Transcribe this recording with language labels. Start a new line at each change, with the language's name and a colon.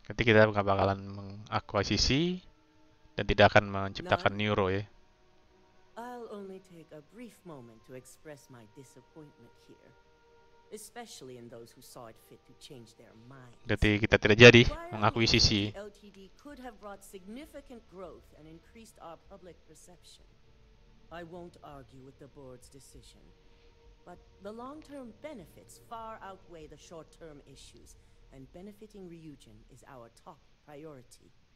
Indonesian: Nanti kita nggak bakalan mengakuisisi dan tidak akan menciptakan Neuro ya.
English: I'll only take a brief moment to express my disappointment here, especially in those who saw it fit to change their minds.
Indonesian: Jadi kita tidak jadi mengakuisisi.
English: Ltd could have brought significant growth and increased our public perception. I won't argue with the board's decision. But the long-term benefits far outweigh the short-term issues, and benefiting Ryujin is our top priority.